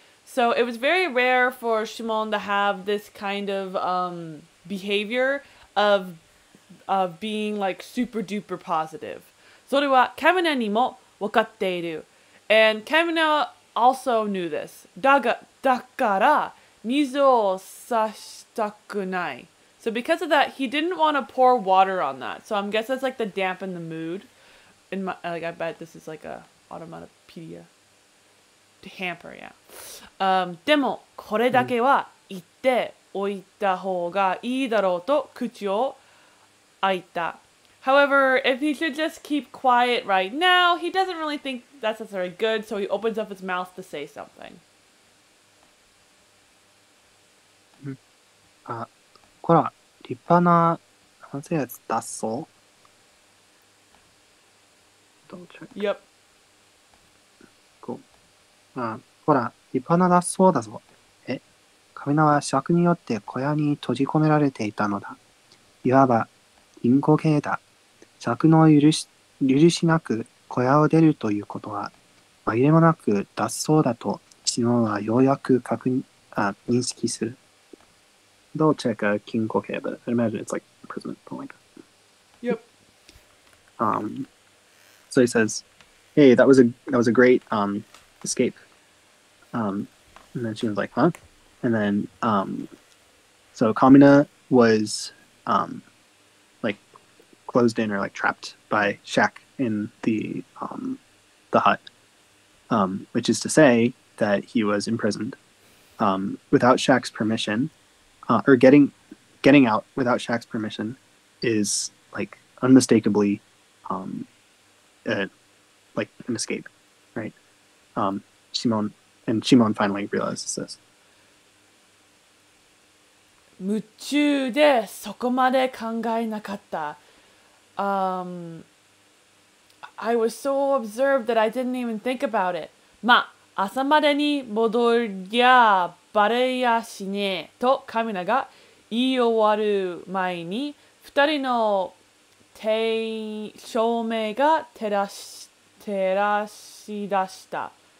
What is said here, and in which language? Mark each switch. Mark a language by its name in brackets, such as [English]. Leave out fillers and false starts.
[English] So it was very rare for Shimon to have this kind of behavior of being like super duper positive. [Japanese] それはカミナにも分かっている。 [English] And カミナ also knew this. [Japanese] だから水を差したくない。 [English] So because of that, he didn't want to pour water on that. So I'm guessing that's like the dampen the mood. I bet this is like a automatopedia. Damper, yeah. [Japanese] でもこれだけは言っておいた方がいいだろうと口を開いた。 [English] However, if he should just keep quiet right now, he doesn't really think that's necessarily good. So he opens up his mouth to say something. [Japanese] こら、立派な、なんせやつ、脱走。 [English] Double check. Yep. [Japanese] Cool. こら、立派な脱走だぞ。え、カミナは尺によって小屋に閉じ込められていたのだ。いわば、隠居系だ。尺の許しなく小屋を出るということは、紛れもなく脱走だと、シノはようやく認識する。 [English] They'll check a king coke, but I imagine it's like imprisonment, something like that. Yep. So he says, hey, that was a great escape. And then she was like, huh? And then, so Kamina was like closed in or like trapped by Shaq in the hut, which is to say that he was imprisoned without Shaq's permission. Or getting out without Shaq's permission is like unmistakably like an escape, right? Shimon finally realizes this. [Japanese] 夢中でそこまで考えなかった。 [English] I was so absorbed that I didn't even think about it. [Japanese] まあ、朝までに戻りゃバレやしねえとカミナが言い終わる前に二人の照明が照らし出した。